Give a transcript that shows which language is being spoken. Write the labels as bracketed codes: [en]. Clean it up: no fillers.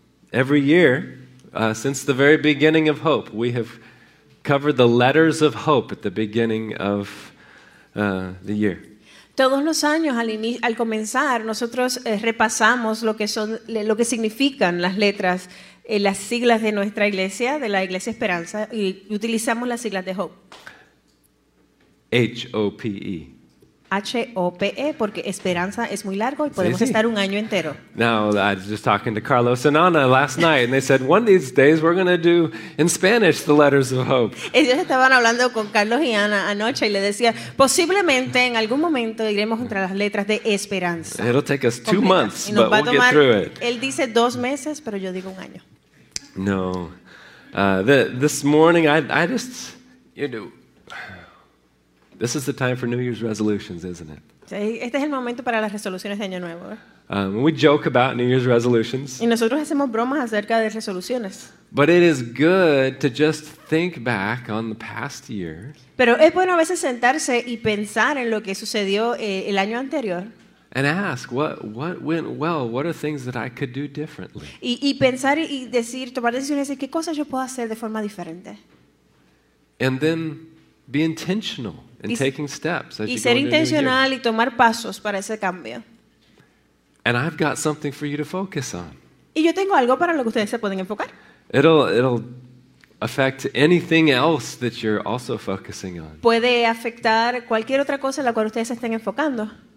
[en] Every year, since the very beginning of Hope, we have covered the letters of hope at the beginning of the year. [es] Todos los años, al comenzar, nosotros repasamos lo que significan las letras, las siglas de nuestra iglesia, de la Iglesia Esperanza, y utilizamos las siglas de Hope. [en] H-O-P-E. [es] H-O-P-E, porque Esperanza es muy largo y podemos estar un año entero. [en] Now, I was just talking to Carlos and Ana last night, and they said, one of these days we're going to do in Spanish the letters of hope. [es] Ellos estaban hablando con Carlos y Ana anoche y le decía, posiblemente en algún momento iremos contra las letras de Esperanza. [en] It'll take us two months, but we'll get through it. [es] Él dice dos meses, pero yo digo un año. No. [en] This morning, I just, you know, this is the time for New Year's resolutions, isn't it? [es] Este es el momento para las resoluciones de Año Nuevo. [en] We joke about New Year's resolutions. [es] Y nosotros hacemos bromas acerca de resoluciones. [en] But it is good to just think back on the past year. [es] Pero es bueno a veces sentarse y pensar en lo que sucedió el año anterior. [en] And ask what went well. What are things that I could do differently? [es] Y pensar y decir tomar decisiones de qué cosas yo puedo hacer de forma diferente. [en] And then be intentional. And taking steps as [es] y ser intencional y tomar pasos para ese cambio. [en] And I've got something for you to focus on. [es] Y yo tengo algo para lo que ustedes se pueden enfocar. [en] It'll affect anything else that you're also focusing on. [es] Puede afectar cualquier otra cosa en la cual ustedes estén enfocando.